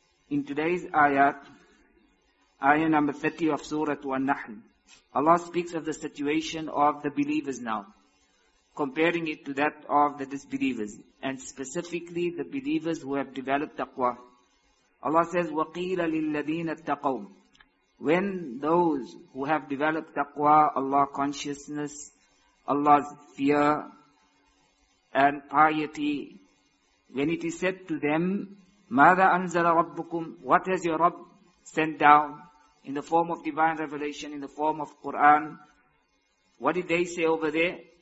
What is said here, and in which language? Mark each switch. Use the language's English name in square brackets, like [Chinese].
[English] In today's ayat, ayah number 30 of Surah An-Nahl, Allah speaks of the situation of the believers now, comparing it to that of the disbelievers, and specifically the believers who have developed taqwa. Allah says, [Arabic] وَقِيلَ لِلَّذِينَ اتَّقَوْا. [English] When those who have developed taqwa, Allah consciousness, Allah's fear and piety, when it is said to them, [Arabic] مَاذَا أَنزَلَ رَبُّكُمْ, [English] what has your Rabb sent down in the form of divine revelation, in the form of Quran, what did they say over there?